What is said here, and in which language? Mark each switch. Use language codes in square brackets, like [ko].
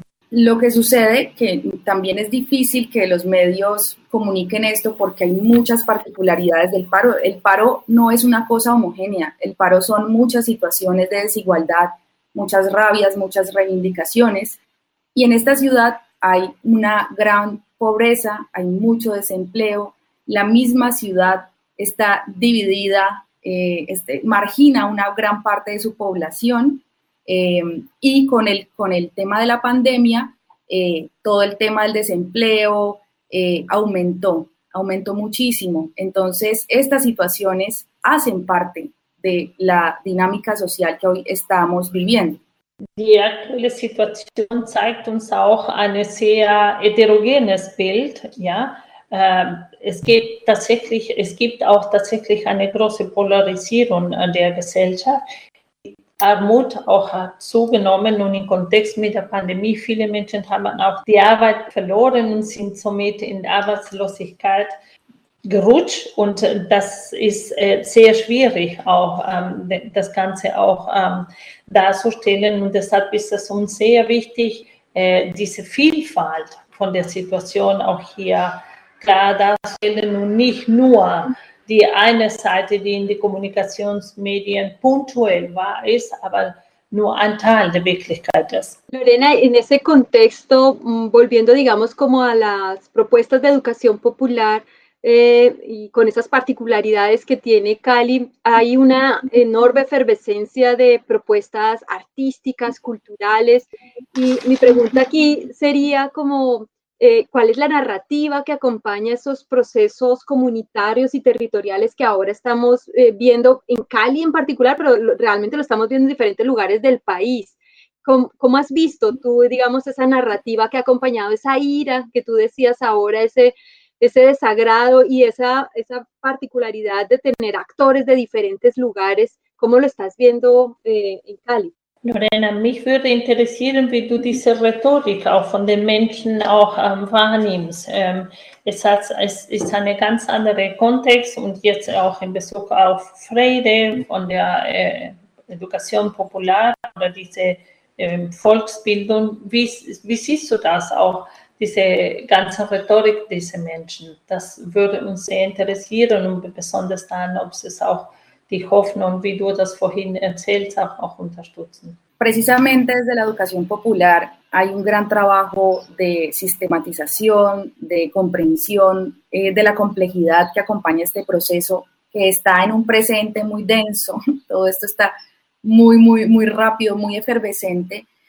[es] Lo que sucede, que también es difícil que los medios comuniquen esto porque hay muchas particularidades del paro. El paro no es una cosa homogénea, el paro son muchas situaciones de desigualdad, muchas rabias, muchas reivindicaciones. Y en esta ciudad hay una gran pobreza, hay mucho desempleo, la misma ciudad está dividida, margina una gran parte de su población y con el tema de la pandemia, todo el tema del desempleo aumentó muchísimo. Entonces, estas situaciones hacen parte de la dinámica social que hoy estamos viviendo. [de] Die aktuelle Situation zeigt uns auch ein sehr heterogenes Bild. Ja, es gibt auch tatsächlich eine große Polarisierung der Gesellschaft. Armut auch hat zugenommen und im Kontext mit der Pandemie viele Menschen haben auch die Arbeit verloren und sind somit in Arbeitslosigkeit gerutscht und das ist sehr schwierig, auch das Ganze auch darzustellen. Und deshalb ist es uns sehr wichtig, diese Vielfalt von der Situation auch hier klar darzustellen und nicht nur die eine Seite, die in den Kommunikationsmedien punktuell wahr ist, aber nur ein Teil der Wirklichkeit ist. [es] Lorena, in ese contexto, volviendo, digamos, como a las propuestas de educación popular, y con esas particularidades que tiene Cali, hay una enorme efervescencia de propuestas artísticas, culturales, y mi pregunta aquí sería como, ¿cuál es la narrativa que acompaña esos procesos comunitarios y territoriales que ahora estamos viendo en Cali en particular, pero realmente lo estamos viendo en diferentes lugares del país? ¿Cómo has visto tú, digamos, esa narrativa que ha acompañado esa ira que tú decías ahora, ese desagrado y esa particularidad de tener actores de diferentes lugares, ¿cómo lo estás viendo en Cali? [de] Lorena, mich würde interessieren, wie du diese Rhetorik auch von den Menschen auch wahrnimmst. Es ist ein ganz anderer Kontext und jetzt auch in Bezug auf Freire von der Education Popular oder diese Volksbildung. Wie siehst du das auch? Diese ganze Rhetorik dieser Menschen, das würde uns sehr interessieren und besonders dann, ob es auch die Hoffnung, wie du das vorhin erzählt hast, auch unterstützen. [es] Precisamente desde la educación popular hay un gran trabajo de sistematización, de comprensión de la complejidad que acompaña este proceso, que está en un presente muy denso. Todo esto está muy, muy, muy rápido, muy efervescente.